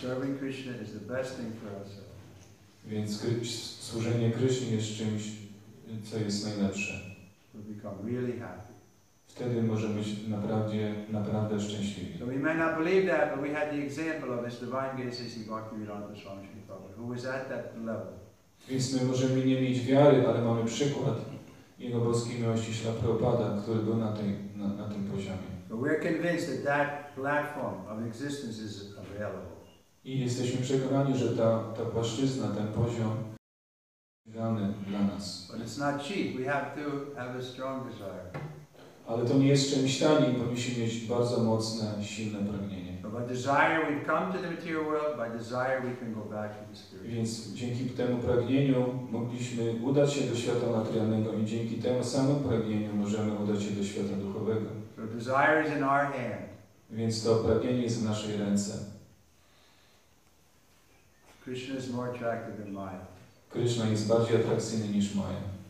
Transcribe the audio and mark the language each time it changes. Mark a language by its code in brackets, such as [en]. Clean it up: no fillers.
[en] Serving Krishna is the best thing for us. [pl] Więc służenie Krishna jest czymś, co jest najlepsze. [en] We'll become really happy. [pl] Wtedy możemy być naprawdę szczęśliwi. [en] So we may not believe that, but we had the example of His Divine Grace Sri Bhaktivedanta Swami Sri Prabhupada, who was at that level. [pl] Więc my możemy nie mieć wiary, ale mamy przykład Jego boskiej miłości Śrila Prabhupada, który był na tym poziomie. [en] But we're convinced that that platform of existence is available. [pl] I jesteśmy przekonani, że ta płaszczyzna, ten poziom dany dla nas. [en] But it's not cheap. We have to have a strong desire. [pl] Ale to nie jest czymś tanim. Musimy mieć bardzo mocne, silne pragnienie. [en] But by desire we've come to the material world, by desire we can go back to the spirit. [pl] Więc dzięki temu pragnieniu mogliśmy udać się do świata materialnego i dzięki temu samemu pragnieniu możemy udać się do świata duchowego. [en] So desire is in our hand. [pl] Więc to pragnienie jest w naszej ręce. [en] Krishna is more attractive than Maya. [pl] Krishna jest bardziej atrakcyjny niż Maya.